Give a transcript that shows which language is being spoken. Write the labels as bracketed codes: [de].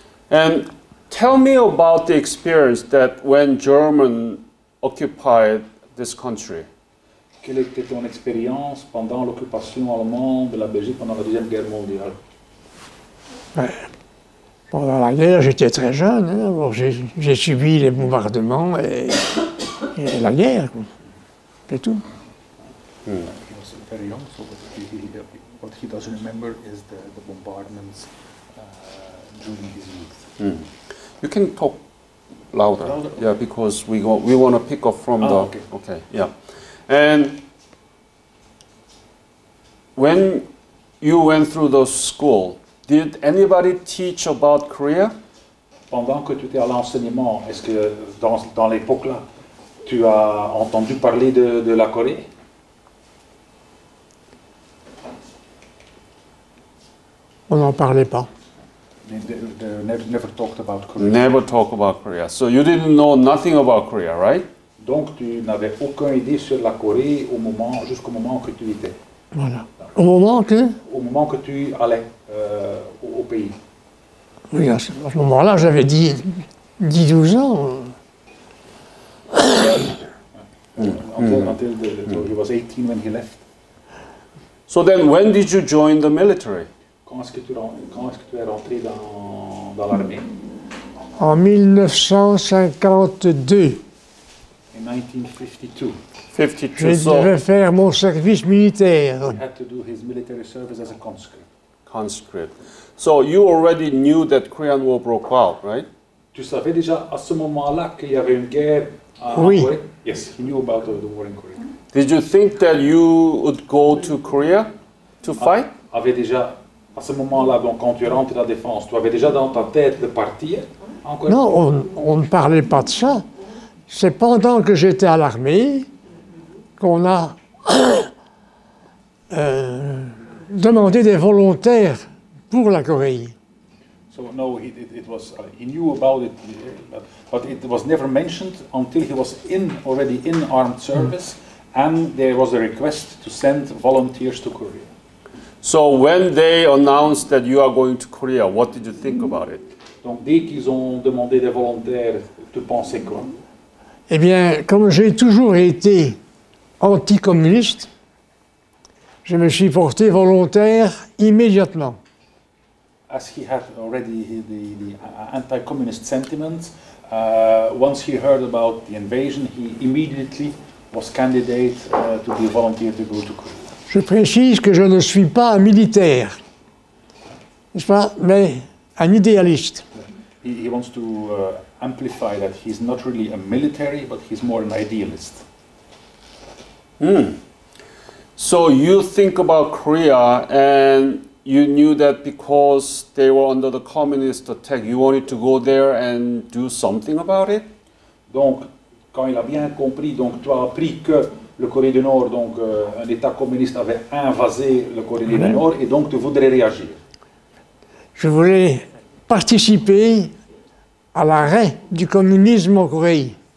[en] And tell me about the experience that when German occupied this country. [fr] Quelle était ton expérience pendant l'occupation allemande de la Belgique pendant la Deuxième Guerre mondiale? Pendant la guerre, j'étais très jeune. Hein? Bon, j'ai subi les bombardements et la guerre. Quoi. C'est tout. [en] Was very young, so what he doesn't remember is the bombardments during his youth. You can talk louder. Yeah, because we want to pick up from the. Okay. Yeah. And when you went through the school, did anybody teach about Korea? [fr] Pendant que tu étais à l'enseignement, est-ce que dans l'époque là, tu as entendu parler de la Corée? On n'en parlait pas. [en] They never talked about Korea. Never talked about Korea. So you didn't know nothing about Korea, right? [fr] Donc, tu n'avais aucune idée sur la Corée au moment, jusqu'au moment que tu étais. Voilà. Au moment que? Au moment que tu allais au pays. Oui, à ce moment-là, j'avais 10-12 ans. [en] Until he was 18 when he left. So then, when did you join the military? [fr] Quand est-ce que tu es rentré dans l'armée? En 1952. [en] In 1952. [fr] Je devais faire mon service militaire. [en] He had to do his military service as a conscript. Conscript. So you already knew that Korean War broke out, right? [fr] Tu savais déjà à ce moment-là qu'il y avait une guerre en Corée? Oui. [en] Yes, he knew about the war in Korea. Did you think that you would go to Korea to fight? [fr] Avais déjà à ce moment-là, donc quand tu rentres la défense, tu avais déjà dans ta tête de partir en Corée? Non, on ne parlait pas de ça. C'est pendant que j'étais à l'armée qu'on a demandé des volontaires pour la Corée. [en] So no, he knew about it, but it was never mentioned until he was already in armed service, and there was a request to send volunteers to Korea. So when they announced that you are going to Korea, what did you think about it? [fr] Donc dès qu'ils ont demandé des volontaires, tu pensais quoi? Eh bien, comme j'ai toujours été anticommuniste, je me suis porté volontaire immédiatement. [en] As he had already the anti-communist sentiments, once he heard about the invasion, he immediately was candidate to be a volunteer to go to Korea. [fr] Je précise que je ne suis pas un militaire, n'est-ce pas, mais un idéaliste. [en] He wants to amplify that he's not really a military, but he's more an idealist. Hmm. So you think about Korea and you knew that because they were under the communist attack, you wanted to go there and do something about it? [fr] Donc, quand il a bien compris, donc tu as appris que le Corée du Nord, donc un État communiste avait invasé le Corée du Nord, et donc tu voudrais réagir. Je voulais participer à l'arrêt du communisme en Corée.